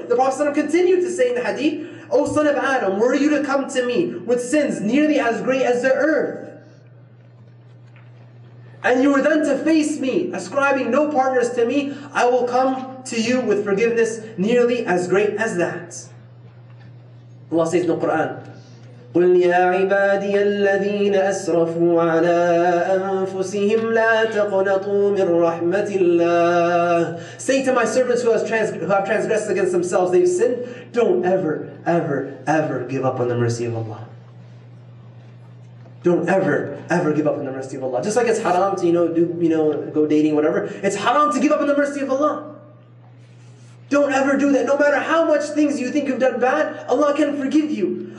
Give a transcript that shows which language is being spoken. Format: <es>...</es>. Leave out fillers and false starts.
<en>The Prophet ﷺ continued to say in the hadith, O son of Adam, were you to come to me with sins nearly as great as the earth, and you were then to face me, ascribing no partners to me, I will come to you with forgiveness nearly as great as that. Allah says in the Quran,</en> <ar>قُلْ يَا عِبَادِيَ الَّذِينَ أَسْرَفُوا عَلَىٰ أَنفُسِهِمْ لَا تَقْنَطُوا مِنْ رَحْمَةِ اللَّهِ.</ar> <en>Say to my servants who have transgressed against themselves, they've sinned, don't ever, ever, ever give up on the mercy of Allah. Don't ever, ever give up on the mercy of Allah. Just like it's haram to, go dating, whatever. It's haram to give up on the mercy of Allah. Don't ever do that. No matter how much things you think you've done bad, Allah can forgive you.</en>